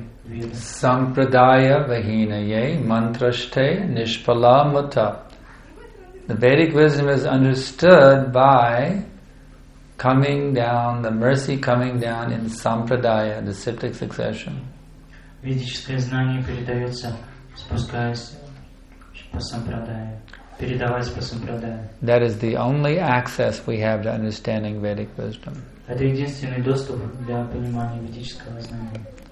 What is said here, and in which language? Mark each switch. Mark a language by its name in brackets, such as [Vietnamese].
[Sanskrit] Sampradaya vahinaye mantrashte nishpala muta. [English] The Vedic wisdom is understood by coming down, the mercy coming down in sampradaya, the septic succession. [Russian] Ведическое знание передается, спускаясь по сампрадае, передаваясь по сампрадае. [English] That is the only access we have to understanding Vedic wisdom. [Russian] Это единственный доступ для понимания ведического знания.